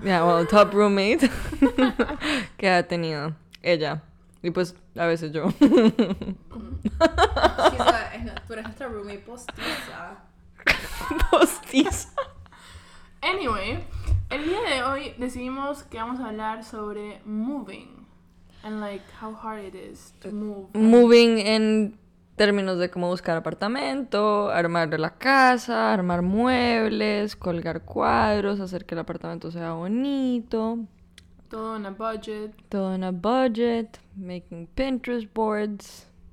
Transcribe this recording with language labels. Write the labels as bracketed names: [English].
[English] Yeah, well, [Spanish] top roommate que ha tenido ella. Y pues, a veces yo. Tú eres nuestra roommate postiza. Postiza. Anyway, el día de hoy decidimos que vamos a hablar sobre moving. [English] And like, how hard it is to move. [Spanish] Moving en términos de cómo buscar apartamento, armar la casa, armar muebles, colgar cuadros, hacer que el apartamento sea bonito. Todo en [English] a budget. [Spanish] Todo en [English] a budget. Making Pinterest boards.